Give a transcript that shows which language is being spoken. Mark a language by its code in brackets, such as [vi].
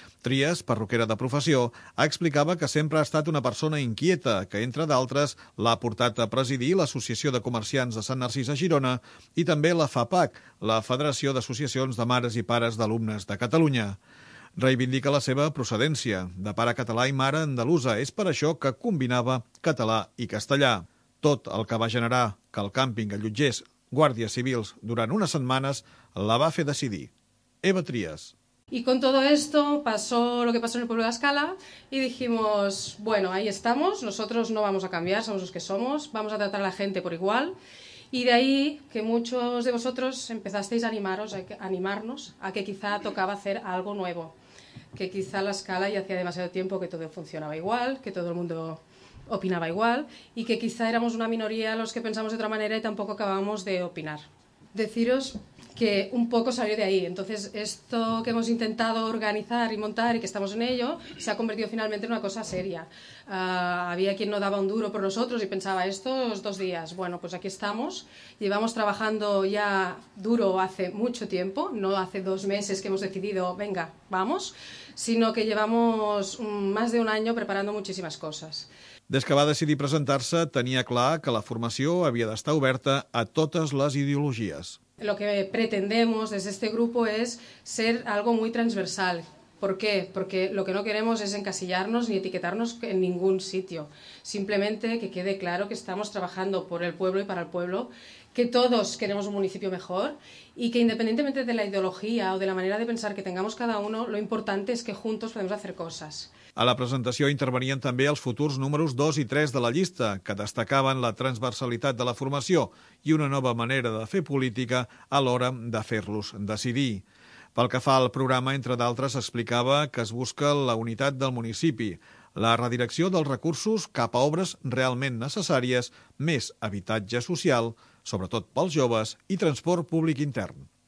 [ca] Trias, perruquera de professió, explicava que sempre ha estat una persona inquieta, que, entre d'altres, l'ha portat a presidir l'Associació de Comerciants de Sant Narcís a Girona i també la FAPAC, la Federació d'Associacions de Mares i Pares d'Alumnes de Catalunya. Reivindica la seva procedència, de pare català i mare andalusa. És per això que combinava català i castellà. Tot el que va generar que el càmping allotgés guàrdies civils durant unes setmanes la va fer decidir. Eva Trias. [es] Y con todo esto pasó lo que pasó en el pueblo de Escala y dijimos, bueno, ahí estamos, nosotros no vamos a cambiar, somos los que somos, vamos a tratar a la gente por igual. Y de ahí que muchos de vosotros empezasteis a animaros, a animarnos a que quizá tocaba hacer algo nuevo, que quizá la Escala ya hacía demasiado tiempo que todo funcionaba igual, que todo el mundo opinaba igual y que quizá éramos una minoría los que pensamos de otra manera y tampoco acabábamos de opinar. Deciros que un poco salió de ahí. Entonces, esto que hemos intentado organizar y montar y que estamos en ello, se ha convertido finalmente en una cosa seria. Había quien no daba un duro por nosotros y pensaba, estos dos días. Bueno, pues aquí estamos. Llevamos trabajando ya duro hace mucho tiempo, no hace dos meses que hemos decidido, venga, vamos, sino que llevamos más de un año preparando muchísimas cosas. [ca] Des que va decidir presentar-se, tenia clar que la formació havia d'estar oberta a totes les ideologies. [es] Lo que pretendemos desde este grupo es ser algo muy transversal. ¿Por qué? Porque lo que no queremos es encasillarnos ni etiquetarnos en ningún sitio. Simplemente que quede claro que estamos trabajando por el pueblo y para el pueblo, que todos queremos un municipio mejor y que independientemente de la ideología o de la manera de pensar que tengamos cada uno, lo importante es que juntos podemos hacer cosas. [ca] A la presentació intervenien també els futurs números 2 i 3 de la llista, que destacaven la transversalitat de la formació i una nova manera de fer política a l'hora de fer-los decidir. Pel que fa al programa, entre d'altres, explicava que es busca la unitat del municipi, la redirecció dels recursos cap a obres realment necessàries, més habitatge social, sobretot pels joves, i transport públic intern.